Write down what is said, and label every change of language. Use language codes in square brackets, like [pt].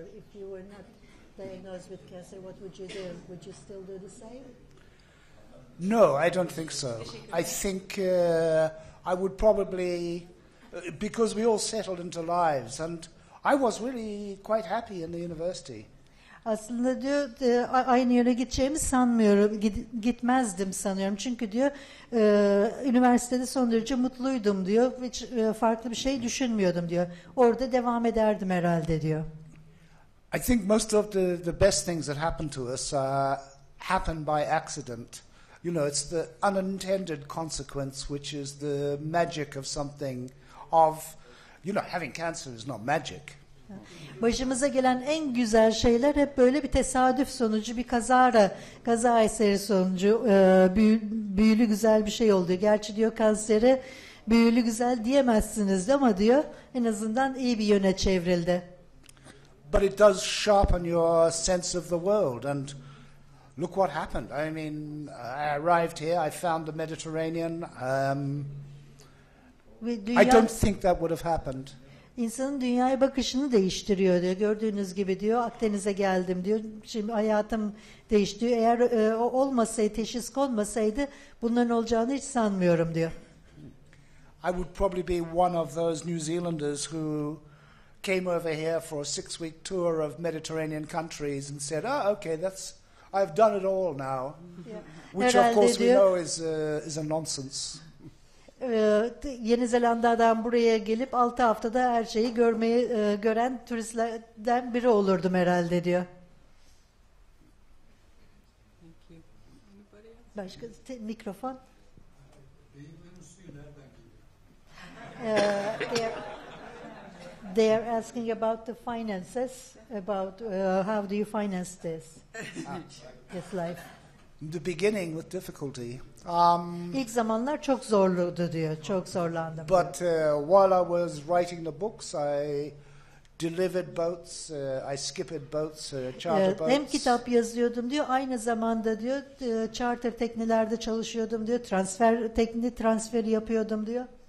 [en] If you were not diagnosed with cancer, what would you do? Would you still do the same? No, I don't think so. I think I would probably, because we all settled into lives and I was really quite happy in the university. [tr] Aslında diyor aynı yere gideceğimi sanmıyorum, gitmezdim sanıyorum. Çünkü diyor üniversitede son derece mutluydum diyor. Hiç farklı bir şey düşünmüyordum diyor. Orada devam ederdim herhalde diyor. [en] I think most of the best things that happen to us happen by accident. You know, it's the unintended consequence which is the magic of something. of, you know, having cancer is not magic. [tr] Başımıza gelen en güzel şeyler hep böyle bir tesadüf sonucu, bir kaza eseri sonucu büyülü güzel bir şey oluyor. Gerçi diyor kansere büyülü güzel diyemezsiniz ama diyor en azından iyi bir yöne çevrildi. [en] But it does sharpen your sense of the world and look what happened. I mean, I arrived here, I found the Mediterranean. I don't think that would have happened. [tr] İnsanın dünyaya bakışını değiştiriyor diyor. Gördüğünüz gibi diyor Akdeniz'e geldim diyor. Şimdi hayatım değişti. Eğer olmasaydı, teşhis konmasaydı bunların olacağını hiç sanmıyorum diyor. [en] I would probably be one of those New Zealanders who came over here for a 6-week tour of Mediterranean countries and said, "Oh, okay, that's I've done it all now." Yeah. Which [tr] herhalde [en] of course [tr] diyor, [en] we know is a nonsense. [tr] Yeni Zelanda'dan buraya gelip 6 haftada her şeyi görmeyi gören turistlerden biri olurdum herhalde diyor. Başka mikrofon. [en] They are asking about the finances, about how do you finance this, this life. In the beginning with difficulty. [tr] İlk zamanlar çok zorluydu diyor, çok zorlandım. [en] But while I was writing the books, I delivered boats, I skippered boats, charter boats. [tr] Hem kitap yazıyordum diyor, aynı zamanda diyor charter teknelerde çalışıyordum diyor, transferi yapıyordum diyor.